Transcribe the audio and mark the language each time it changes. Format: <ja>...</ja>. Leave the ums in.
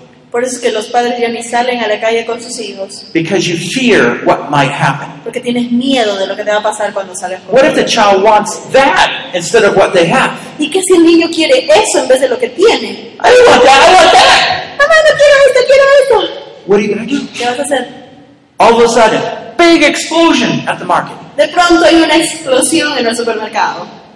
<es>Por eso es que los padres ya ni salen a la calle con sus hijos.</es> <en>Because you fear what might happen.</en> <es>Porque tienes miedo de lo que te va a pasar cuando sales.</es> <en>What if the child wants that instead of what they have?</en> <es>¿Y qué si el niño quiere eso en vez de lo que tiene?</es> <en>I don't want that.</en> <es>I want that. Mamá, no quiero esto, quiero esto.</es> <en>What are you going to do?</en> <es>¿Qué vas a hacer?</es> <en>All of a sudden, big explosion at the market.</en> <es>De pronto hay una explosión en el supermercado.</es>